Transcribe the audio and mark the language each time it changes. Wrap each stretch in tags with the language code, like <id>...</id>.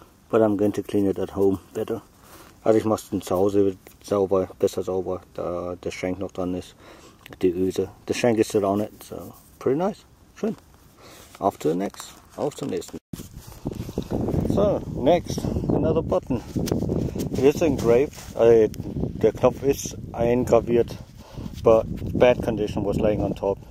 <en>But I'm going to clean it at home better.</en> <de>Also ich mache es zu Hause sauber, besser sauber, da der Schenk noch dran ist. Die Öse.</de> <en>The Schenk is still on it, so pretty nice. Schön. Off to the next.</en> <de>Auf zum nächsten.</de> <en>So, next, another button. It is engraved.</en> <de>Also der Knopf ist eingraviert.</de> <en>But bad condition was laying on top.</en>